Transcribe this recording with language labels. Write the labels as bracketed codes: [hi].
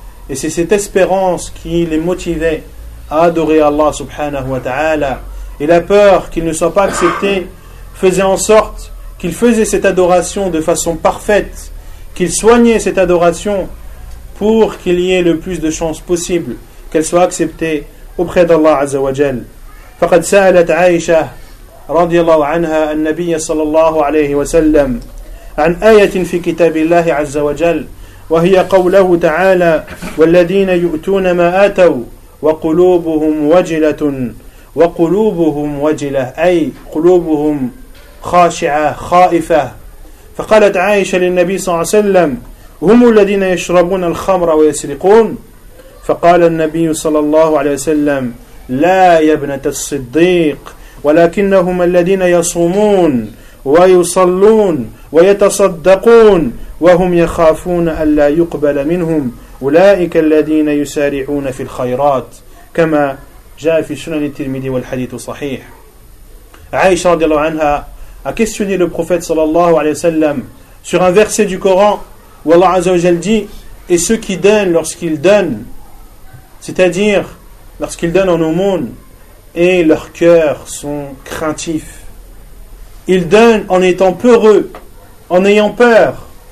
[fr] Et c'est cette espérance qui les motivait à adorer Allah subhanahu wa ta'ala. Et la peur qu'il ne soit pas accepté faisait en sorte qu'il faisait cette adoration de façon parfaite, qu'il soignait cette adoration pour qu'il y ait le plus de chances possible qu'elle soit acceptée auprès d'Allah Azza wa Jal. [ar] فقد سألت عائشة رضي الله عنها النبي صلى الله عليه وسلم عن آية في كتاب الله عز وجل وهي قوله تعالى والذين يؤتون ما آتوا وقلوبهم وجلة وقلوبهم وجلة أي قلوبهم خاشعة خائفة فقالت عائشة للنبي صلى الله عليه وسلم هم الذين يشربون الخمر ويسرقون فقال النبي صلى الله عليه وسلم لا يا ابنة الصديق ولكنهم الذين يصومون ويصلون ويتصدقون وهم يخافون ألا يقبل منهم أولئك الذين يسارعون في الخيرات كما جاء في سنن الترمذي والحديث صحيح. [fr] عائشة رضي الله عنها a questionné le prophète sallallahu alayhi wa sallam sur un verset du Coran où Allah Azza wa Jalla dit: et ceux qui donnent lorsqu'ils donnent, c'est-à-dire lorsqu'ils donnent en aumône, et leurs cœurs sont craintifs, ils donnent en étant peureux, en ayant peur.